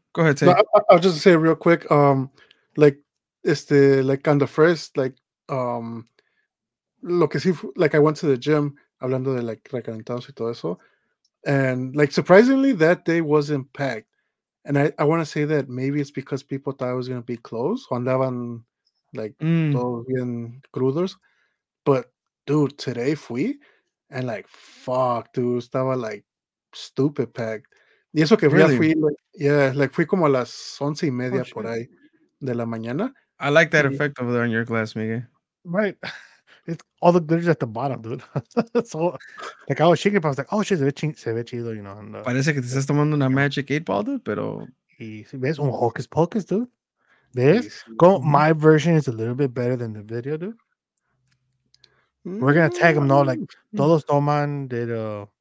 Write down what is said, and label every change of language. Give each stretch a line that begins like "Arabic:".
English: I'll just say real quick, like, like, on the first, like,
Spanish: lo que sí,
English: like, I went to the gym,
Spanish: hablando de,
English: like, recalentados y todo eso, and, like, surprisingly, that day was packed, and I want to say that maybe it's because people thought it was going to be closed,
Spanish: o andaban,
English: like,
Spanish: todos bien crudos,
English: but, dude,
Spanish: today fui,
English: and, like, fuck, dude,
Spanish: estaba,
English: like, stupid packed.
Spanish: Y eso que fui, really? Fui como a las 11:30 por ahí de la mañana.
English: I like that effect over there in your glass, Miguel. Right. It's all the glitters at the bottom, dude. So, like, I was shaking, but I was like, oh, shit,
Spanish: se ve chido,
English: you know. And,
Spanish: parece que te estás tomando una Magic 8-Ball, dude, pero... Y si ves un Hocus Pocus, dude. ¿Ves?
English: My version is a little bit better than the video, dude. We're going to tag them all, like,
Spanish: todos toman de...